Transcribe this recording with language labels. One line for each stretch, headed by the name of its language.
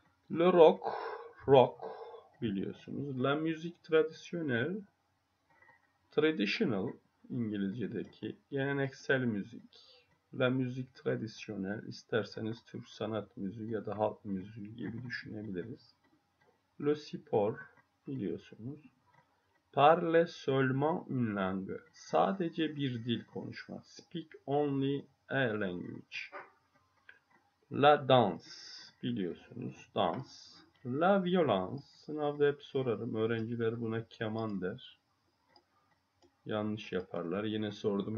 Turkish: Le rock, rock biliyorsunuz.
French: La musique traditionnelle,
Turkish: traditional İngilizce'deki geleneksel müzik.
French: La musique traditionnelle,
Turkish: isterseniz Türk sanat müziği ya da halk müziği gibi düşünebiliriz. Le sport biliyorsunuz.
French: Parle seulement une langue.
Turkish: Sadece bir dil konuşmak.
English: Speak only a language.
French: La danse.
Turkish: Biliyorsunuz.
English: Dans.
French: La violence.
Turkish: Sınavda hep sorarım. Öğrenciler buna keman der. Yanlış yaparlar. Yine sordum.